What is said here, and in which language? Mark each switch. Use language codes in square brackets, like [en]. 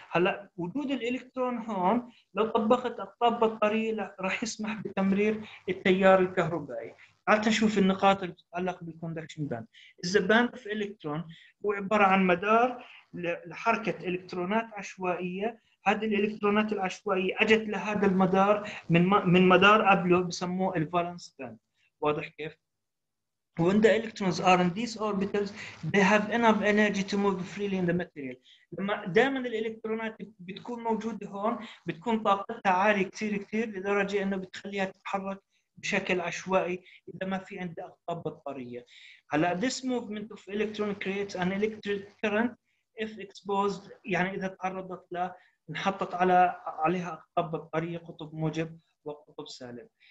[ar] هلا وجود الالكترون هون لو طبقت اقطاب بطاريه راح يسمح بتمرير التيار الكهربائي. تعال نشوف النقاط اللي تتعلق بالكوندكشن باند. اذا باند اوف الكترون هو عباره عن مدار لحركه الكترونات عشوائيه، هذه الالكترونات العشوائيه اجت لهذا المدار من مدار قبله بسموه الفالنس باند. واضح كيف؟ [en] When the electrons are in these orbitals, they have enough energy to move freely in the material. [ar] لما دائما الالكترونات بتكون موجوده هون بتكون طاقتها عاليه كثير كثير لدرجه انه بتخليها تتحرك بشكل عشوائي اذا ما في عندها اقطاب بطاريه. هلا [en] this movement of electron creates an electric current if exposed، [ar] يعني اذا تعرضت ل انحطت على عليها اقطاب بطاريه، قطب موجب وقطب سالب.